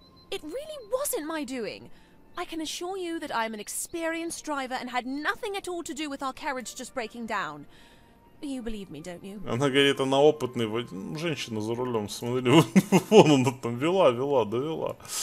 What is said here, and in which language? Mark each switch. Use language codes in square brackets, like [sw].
[ru] Это действительно не было моим делом. [en] I can assure you that I am an experienced driver and had nothing at all to do with our carriage just breaking down. You believe me, don't you? [ru] Она говорит, она опытная женщина за рулем. Смотри, вон она там вела, довела.